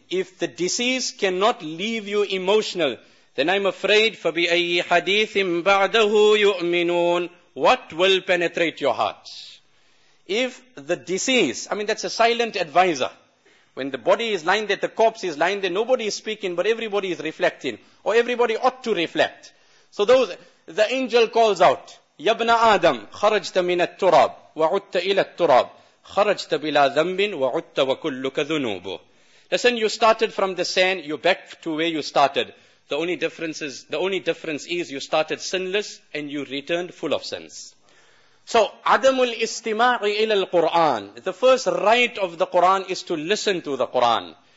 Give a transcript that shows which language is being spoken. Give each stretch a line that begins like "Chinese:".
English: If the deceased cannot leave you emotional, then I'm afraid,
Arabic: فَبِأَيِّ حَدِيثٍ بَعْدَهُ يُؤْمِنُونَ.
English: What will penetrate your heart? If the deceased, I mean that's a silent advisor. When the body is lying there, the corpse is lying there, nobody is speaking, but everybody is reflecting. Or everybody ought to reflect. So those, the angel calls out,
Arabic: يَبْنَ آدَمْ خَرَجْتَ مِنَ التُّرَابِ وَعُدْتَ إِلَى التُّرَابِ خَرَجْتَ بِلَا ذَنْبٍ وَعُدْتَ وَكُلُّكَ ذُنُوبُ.
English: Listen, you started from the sand, you're back to where you started. The only difference is you started sinless and you returned full of sins. So,
Arabic: عَدَمُ الْإِسْتِمَاعِ إِلَى الْقُرْآنِ.
English: The first right of the Qur'an is to listen to the Qur'an.